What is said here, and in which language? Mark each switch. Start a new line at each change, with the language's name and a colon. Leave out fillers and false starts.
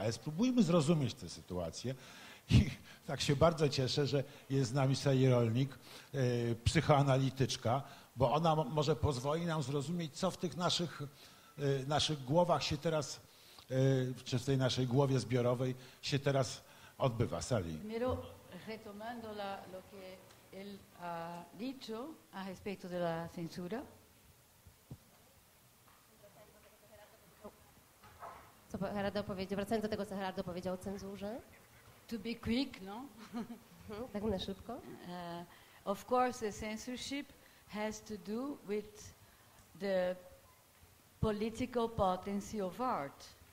Polish: Ale spróbujmy zrozumieć tę sytuację. I tak się bardzo cieszę, że jest z nami Sali Rolnik, psychoanalityczka, bo ona może pozwoli nam zrozumieć, co w tych naszych głowach się teraz, czy w tej naszej głowie zbiorowej się teraz odbywa. Sali.
Spanish: Retomando lo que él ha dicho a respecto de la censura.
Polish: Co Gerardo powiedział? Wracając do tego, co Gerardo powiedział o cenzurze.
English: To be quick, no?
Polish: Tak na szybko.
English: Of course, the censorship has to do with the political potency of art.